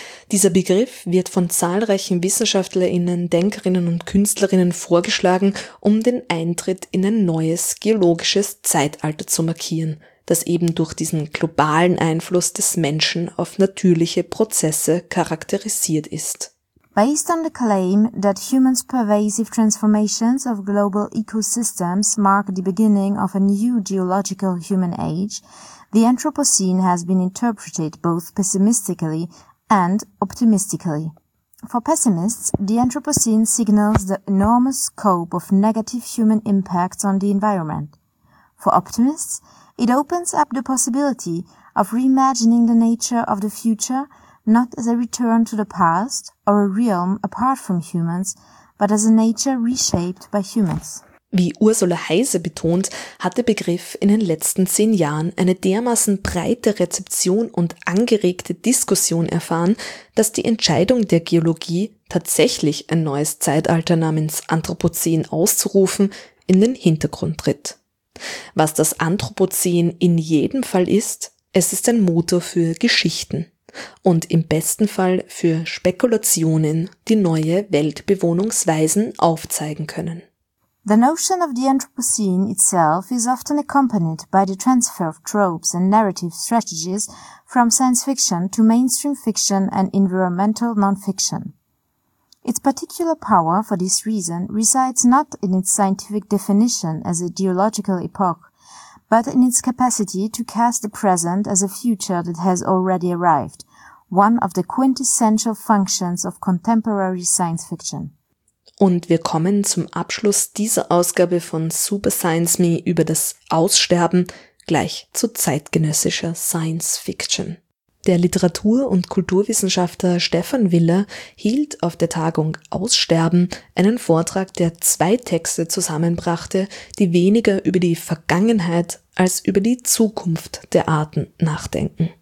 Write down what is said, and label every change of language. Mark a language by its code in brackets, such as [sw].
[de] Dieser Begriff wird von zahlreichen WissenschaftlerInnen, Denkerinnen und KünstlerInnen vorgeschlagen, um den Eintritt in ein neues geologisches Zeitalter zu markieren, das eben durch diesen globalen Einfluss des Menschen auf natürliche Prozesse charakterisiert ist. [en] Based on the claim that humans' pervasive transformations of global ecosystems mark the beginning of a new geological human age, the Anthropocene has been interpreted both pessimistically and optimistically. For pessimists, the Anthropocene signals the enormous scope of negative human impacts on the environment. For optimists, it opens up the possibility of reimagining the nature of the future not as a return to the past or a realm apart from humans, but as a nature reshaped by humans. [de] Wie Ursula Heise betont, hat der Begriff in den letzten 10 Jahren eine dermaßen breite Rezeption und angeregte Diskussion erfahren, dass die Entscheidung der Geologie, tatsächlich ein neues Zeitalter namens Anthropozän auszurufen, in den Hintergrund tritt. Was das Anthropozän in jedem Fall ist, es ist ein Motor für Geschichten und im besten Fall für Spekulationen, die neue Weltbewohnungsweisen aufzeigen können. [en] The notion of the Anthropocene itself is often accompanied by the transfer of tropes and narrative strategies from science fiction to mainstream fiction and environmental nonfiction. Its particular power for this reason resides not in its scientific definition as a geological epoch, but in its capacity to cast the present as a future that has already arrived, one of the quintessential functions of contemporary science fiction. [de] Und wir kommen zum Abschluss dieser Ausgabe von Super Science Me über das Aussterben gleich zu zeitgenössischer Science Fiction. Der Literatur- und Kulturwissenschaftler Stefan Willer hielt auf der Tagung Aussterben einen Vortrag, der zwei Texte zusammenbrachte, die weniger über die Vergangenheit als über die Zukunft der Arten nachdenken.